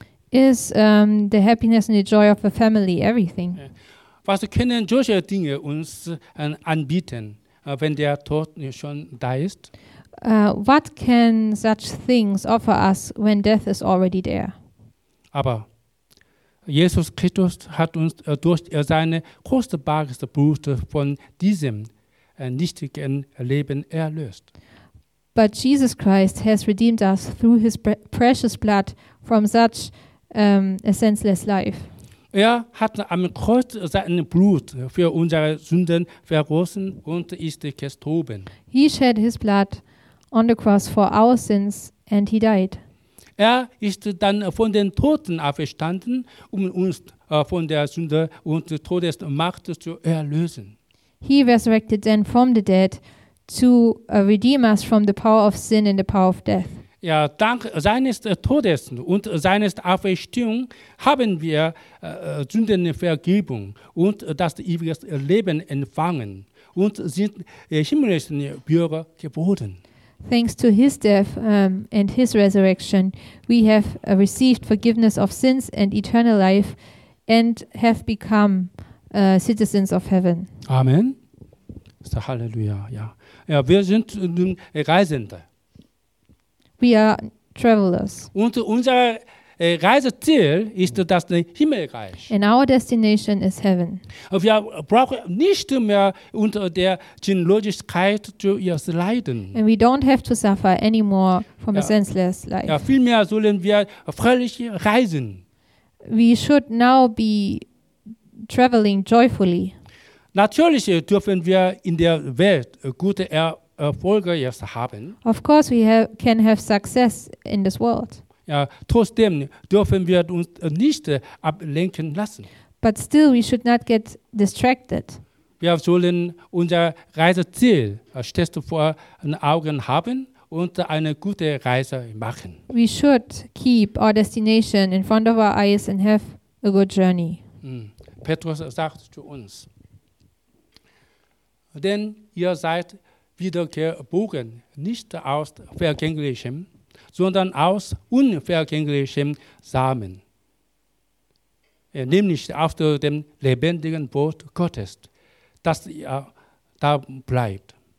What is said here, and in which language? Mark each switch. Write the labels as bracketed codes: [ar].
[en] Is the happiness and the joy of a family everything? [de] Was können solche Dinge uns anbieten, wenn der Tod schon da ist? [en] What can such things offer us when death is already there? [de] Aber Jesus Christus hat uns durch sein kostbares Blut von diesem nichtigen Leben erlöst. [en] But Jesus Christ has redeemed us through his precious blood from such a senseless life. [de] Er hat am Kreuz sein Blut für unsere Sünden vergossen und ist gestorben. [en] He shed his blood on the cross for our sins and he died. [de] Er ist dann von den Toten auferstanden, um uns von der Sünde und Todesmacht zu erlösen. [en] He resurrected then from the dead to redeem us from the power of sin and the power of death. [de] Ja, dank seines Todes und seines Auferstehung haben wir Sündenvergebung und das ewige Leben empfangen und sind himmlische Bürger geworden. [en] Thanks to his death and his resurrection, we have received forgiveness of sins and eternal life and have become citizens of heaven. [de] Amen. So, Hallelujah. Ja. Ja, wir sind nun Reisende. [en] We are travelers. [de] Und unser Reiseziel ist das Himmelreich. [en] And our destination is heaven. [de] Wir brauchen nicht mehr unter der Sinnlosigkeit zu leiden. [en] And we don't have to suffer anymore from a senseless life. [de] Ja, vielmehr sollen wir fröhlich reisen. [en] We should now be traveling joyfully. [de] Natürlich dürfen wir in der Welt gute Erfolge jetzt haben. [en] Of course we can have success in this world. [de] Ja, trotzdem dürfen wir uns nicht ablenken lassen. [en] But still we should not get distracted. [de] Wir sollen unser Reiseziel stets vor den Augen haben und eine gute Reise machen. [en] We should keep our destination in front of our eyes and have a good journey. [de] Petrus sagt zu uns, denn ihr seid wiedergeboren, nicht aus vergänglichem, sondern aus unvergänglichem Samen. Nämlich aus dem lebendigen Wort Gottes, das da bleibt.